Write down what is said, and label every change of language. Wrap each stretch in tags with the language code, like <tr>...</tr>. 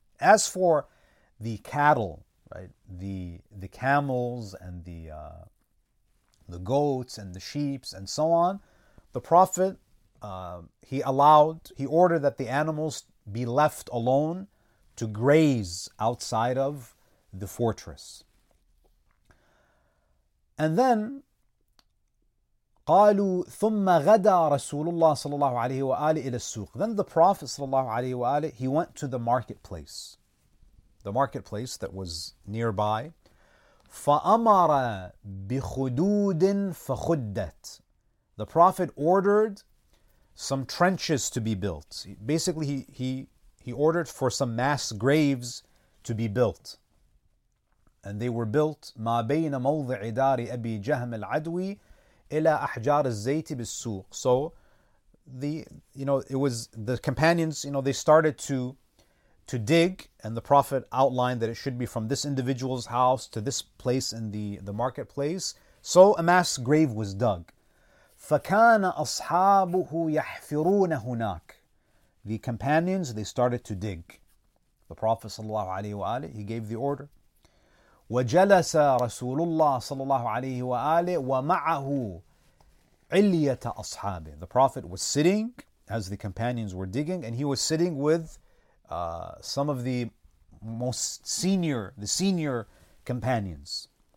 <en>As for the cattle, right, the camels and the goats and the sheep and so on, the Prophet, he ordered that the animals be left alone to graze outside of the fortress. And then</en> <ar>قالوا ثم غدا رسول الله صلى الله عليه وآله إلى السوق.</ar> <en>Then the Prophet</en> <ar>صلى الله عليه وآله,</ar> <en>he went to the marketplace. The marketplace that was nearby.</en> <ar>فأمر بخدود فخدت.</ar> <en>The Prophet ordered some trenches to be built. Basically, he ordered for some mass graves to be built. And they were built</en> <ar>ما بين موضع دار أبي جهم العدوي إلى أحجار الزيت بالسوق.</ar> <en>So the companions started to dig, and the Prophet outlined that it should be from this individual's house to this place in the marketplace. So a mass grave was dug.</en> <ar>فكان أصحابه يحفرون هناك.</ar> <en>The companions, they started to dig. The Prophet</en> <ar>صلى الله عليه وآله,</ar> <en>he gave the order.</en> <ar>وجلس رسول الله صلى الله عليه وآله ومعه علية أصحابه.</ar> <en>The Prophet was sitting as the companions were digging, and he was sitting with some of the most senior, the senior companions.</en>